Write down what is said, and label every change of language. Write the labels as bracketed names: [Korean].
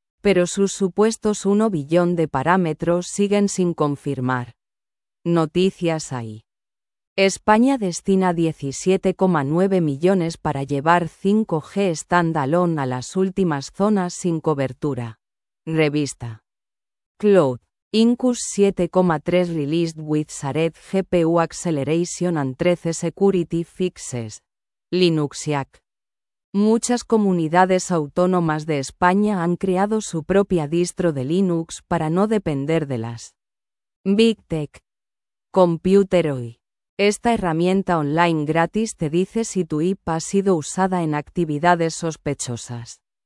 [Spanish] Pero sus supuestos 1 billón de parámetros siguen sin confirmar. Noticias ahí. España destina 17,9 millones para llevar 5G standalone a las últimas zonas sin cobertura. Revista. Cloud. [English] Incus 7.3 released with Shared GPU Acceleration and 13 Security Fixes. [Spanish] Linuxiac. Muchas comunidades autónomas de España han creado su propia distro de Linux para no depender de las Big Tech. ComputerOi. Esta herramienta online gratis te dice si tu IP ha sido usada en actividades sospechosas.